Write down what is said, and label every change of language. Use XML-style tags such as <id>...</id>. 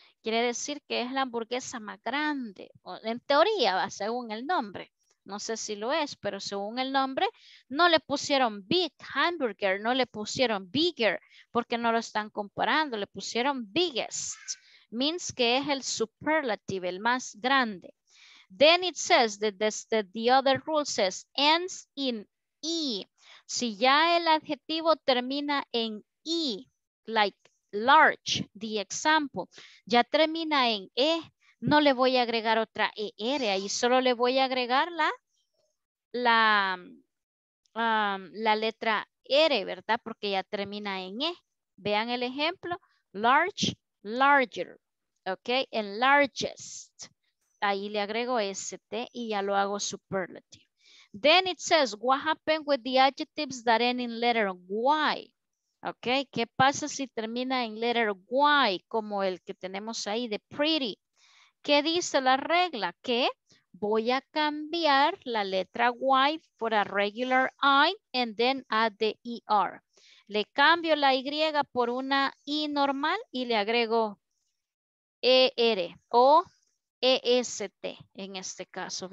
<es>Quiere decir que es la hamburguesa más grande. En teoría va según el nombre. No sé si lo es, pero según el nombre, no le pusieron big hamburger, no le pusieron bigger, porque no lo están comparando. Le pusieron biggest. Means que es el superlative, el más grande.</es> <en>Then it says that the other rule says ends in E.</en> <es>Si ya el adjetivo termina en E,</es> <en>like large, the example,</en> <es>ya termina en E, no le voy a agregar otra ER, ahí solo le voy a agregar la letra R, ¿verdad? Porque ya termina en E. Vean el ejemplo, large, larger, ¿ok? En largest, ahí le agrego ST y ya lo hago superlative.</es> <en>Then it says, what happened with the adjectives that end in letter Y?</en> <es>Okay, ¿qué pasa si termina en letter Y, como el que tenemos ahí de pretty? ¿Qué dice la regla? Que voy a cambiar la letra Y por</es> <en>a regular I and then add the ER.</en> <es>Le cambio la Y por una I normal y le agrego ER o EST en este caso.</es>